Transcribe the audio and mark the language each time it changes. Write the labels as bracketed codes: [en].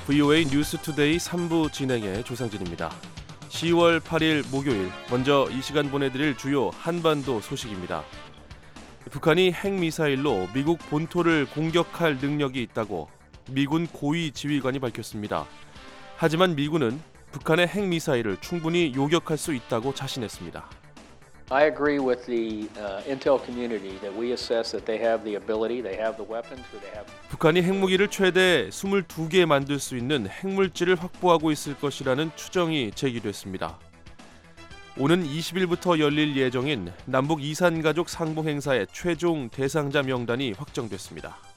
[ko] VOA 뉴스 투데이 3부 진행의 조상진입니다. 10월 8일 목요일, 먼저 이 시간 보내드릴 주요 한반도 소식입니다. 북한이 핵미사일로 미국 본토를 공격할 능력이 있다고 미군 고위 지휘관이 밝혔습니다. 하지만 미군은 북한의 핵미사일을 충분히 요격할 수 있다고 자신했습니다. [en] I agree with the intel community that we assess that they have the ability, they have the weapons, or they have. [ko] 북한이 핵무기를 최대 22개 만들 수 있는 핵물질을 확보하고 있을 것이라는 추정이 제기됐습니다. 오는 20일부터 열릴 예정인 남북 이산가족 상봉 행사의 최종 대상자 명단이 확정됐습니다.